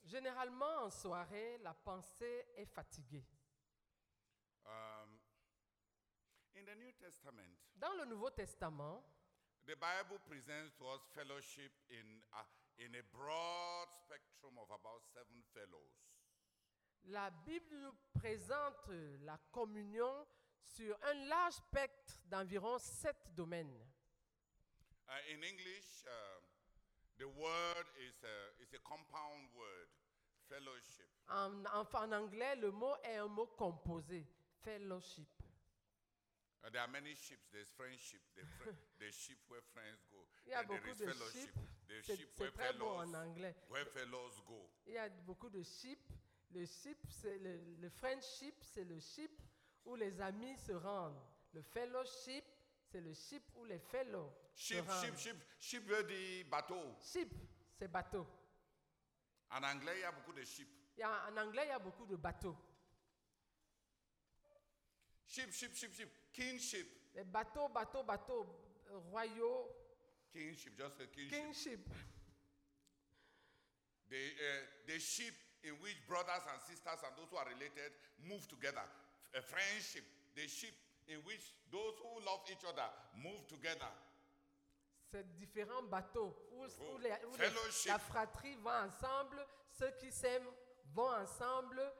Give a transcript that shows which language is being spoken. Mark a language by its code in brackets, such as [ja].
[fr] Généralement, en soirée, la pensée est fatiguée. [en] In the New Testament, [fr] dans le Nouveau Testament, [en] the Bible presents to us fellowship in a broad spectrum of about 7 fellows. [fr] La Bible nous présente la communion sur un large spectre d'environ 7 domaines. [en] In English, the word is a compound word, fellowship. [fr] En anglais, le mot est un mot composé, fellowship. [en] There are many ships. There's friendship. The ship where friends go. [fr] Il y a beaucoup de fellowship. C'est très bon en anglais. [en] Where fellows go. [fr] Il y a beaucoup de ships. Le ship, c'est le friendship, c'est le ship où les amis se rendent. Le fellowship, c'est le ship où les fellows ship, se rendent. Ship veut dire bateau. Ship, c'est bateau. En anglais, il y a beaucoup de ship. En anglais, il y a beaucoup de bateaux. [en] Ship. Kingship. [fr] Les bateaux, royaux. [en] Kingship, just a kingship. Kingship. The ship in which brothers and sisters and those who are related move together. A friendship. The ship in which those who love each other move together. [fr] C'est différents bateaux où la fratrie va ensemble, ceux qui s'aiment vont ensemble.